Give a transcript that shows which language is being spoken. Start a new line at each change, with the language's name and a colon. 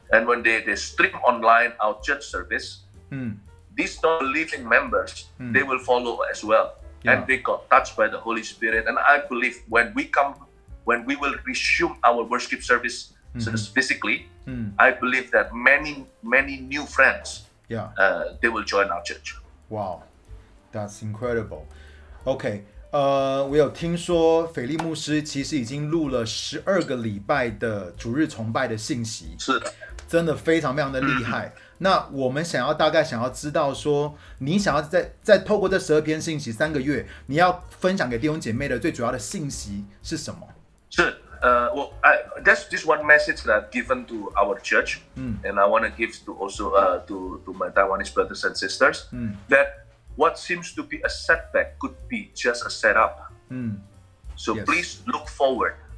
English: And when they stream online our church service, these non-believing members, they will follow as well. Yeah. And they got touched by the Holy Spirit. And I believe when we will resume our worship service physically, I believe that many, many new friends, they will join our church. Wow, that's incredible. Okay,
Chinese: 我有听说腓力牧师其实已经录了12个礼拜的主日崇拜的信息，是的，真的非常非常的厉害。嗯，那我们想要大概想要知道说，你想要在透过这12篇信息3个月，你要分享给弟兄姐妹的最主要的信息是什么？
English: 是，that's this one message that I've given to our church, and I want to give to also to my Taiwanese brothers and sisters, that what seems to be a setback could be just a setup. So please look forward.